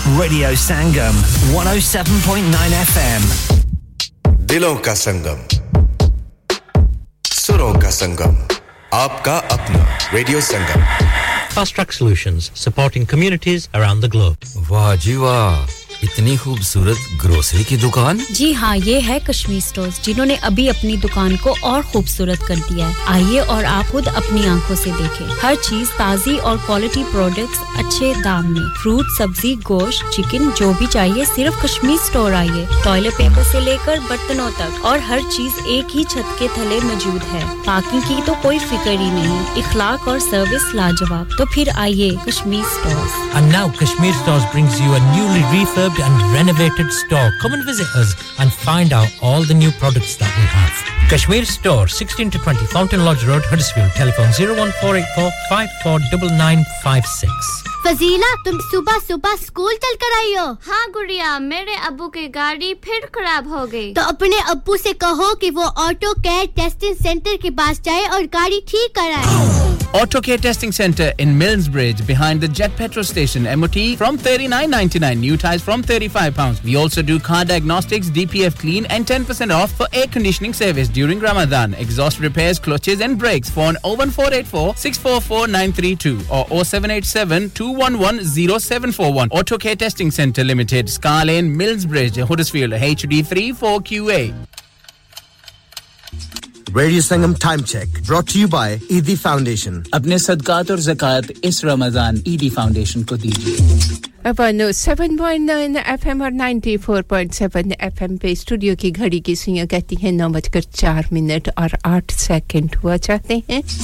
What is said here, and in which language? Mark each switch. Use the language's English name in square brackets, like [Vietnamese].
[English] Radio Sangam, 107.9 FM. [Hindi] Dilon ka Sangam. Suron ka Sangam. Aapka apna Radio Sangam. [English] Fast Track Solutions, supporting communities around the globe. [Hindi] Wah ji wah. इतनी खूबसूरत grocery की दुकान जी हां ये है Kashmir stores जिन्होंने अभी अपनी दुकान को और खूबसूरत कर दिया है आइए और आप खुद अपनी आंखों से देखें हर चीज ताजी और क्वालिटी प्रोडक्ट्स अच्छे दाम में फ्रूट सब्जी गोश्त चिकन जो भी चाहिए सिर्फ कश्मीर स्टोर आइए टॉयलेट पेपर से लेकर बर्तनों तक और हर चीज एक ही छत के तले मौजूद है पार्किंग की तो कोई फिक्र ही नहीं इखलाक और सर्विस लाजवाब तो फिर आइए Kashmir stores [English] And now Kashmir stores brings you a newly reef and renovated store. Come and visit us and find out all the new products that we have. Kashmir Store, 16 to 20 Fountain Lodge Road, Huddersfield. Telephone 01484 549956. [Hindi] Fazila तुम सुबह सुबह school चल कर आई हो हां गुड़िया मेरे अब्बू की गाड़ी फिर खराब हो गई तो अपने अब्बू से कहो कि वो ऑटो केयर टेस्टिंग सेंटर के पास जाए और गाड़ी ठीक कराए [English] Auto care testing centre in Millsbridge behind the Jet petrol station MOT from £39.99 new tyres from £35 we also do car diagnostics DPF clean and 10% off for air conditioning service during Ramzan exhaust repairs clutches and brakes phone 01484644932 और 0787 110741 Auto Care Testing Centre Limited, Scar Lane, Millsbridge, Huddersfield, HD34QA. Radio Sangam Time Check, brought to you by ED Foundation. [Hindi] Apne sadkat aur zakat is Ramadan ED Foundation ko dijiye. 107.9 FM और 94.7 FM पे studio की घड़ी की सुइयां कहती हैं 9:04 और 8 second हुआ चाहते हैं.